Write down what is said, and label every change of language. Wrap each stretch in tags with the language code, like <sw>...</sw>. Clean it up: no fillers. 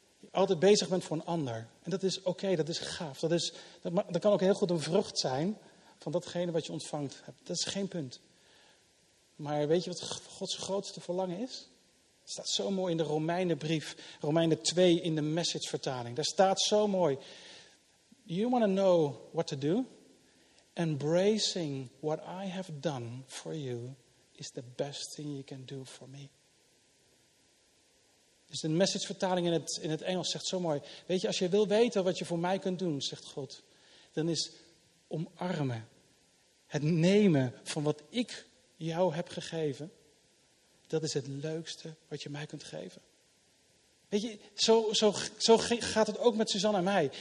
<nl>Altijd bezig bent voor een ander. En dat is oké, dat is gaaf. Dat kan ook heel goed een vrucht zijn van datgene wat je ontvangt. Dat is geen punt. Maar weet je wat Gods grootste verlangen is? Het staat zo mooi in de Romeinenbrief, Romeinen 2 in de Message-vertaling. Daar staat zo mooi.</nl> <en>You want to know what to do? Embracing what I have done for you is the best thing you can do for me.</en> <nl>Dus de Message-vertaling in het Engels zegt zo mooi. Weet je, als je wil weten wat je voor mij kunt doen, zegt God. Dan is omarmen. Het nemen van wat ik jou heb gegeven. Dat is het leukste wat je mij kunt geven. Weet je, zo gaat het ook met Suzanne en mij.</nl>